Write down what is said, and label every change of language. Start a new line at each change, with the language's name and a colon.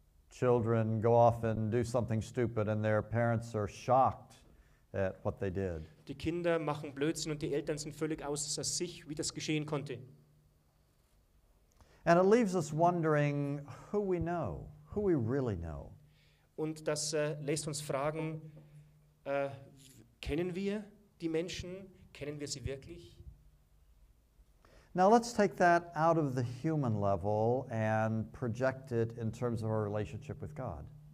English: Children go off and do something stupid, and their parents are shocked at what they did.
German: Die Kinder machen Blödsinn und die Eltern sind völlig außer sich, wie das geschehen konnte.
English: And it leaves us wondering who we know, who we really know.
German: Und das lässt uns fragen, kennen wir die Menschen? Kennen wir sie wirklich?
English: Now let's take that out of the human level and project it in terms of our relationship with God.